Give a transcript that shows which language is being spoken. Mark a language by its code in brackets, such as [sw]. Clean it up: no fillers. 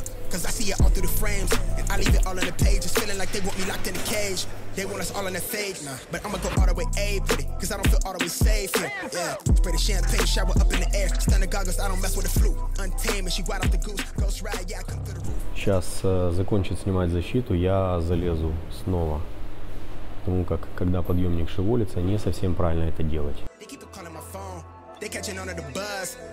[en] Cause I see it all through the frames, and I leave it all in the pages, feeling like they want me locked in a cage. They want us all in the fade, but I'ma go all the way A with it, cause I don't feel all the way safe. Yeah, spray the champagne, shower up in the air, stun the goggles, I don't mess with the flu. Untamed, and she ride off the goose, ghost ride, yeah, I come through the roof. [ru] Сейчас закончит снимать защиту, я залезу снова, потому как когда подъемник шевелится, не совсем правильно это делать. [en] They keep calling my phone, they catching on to the buzz.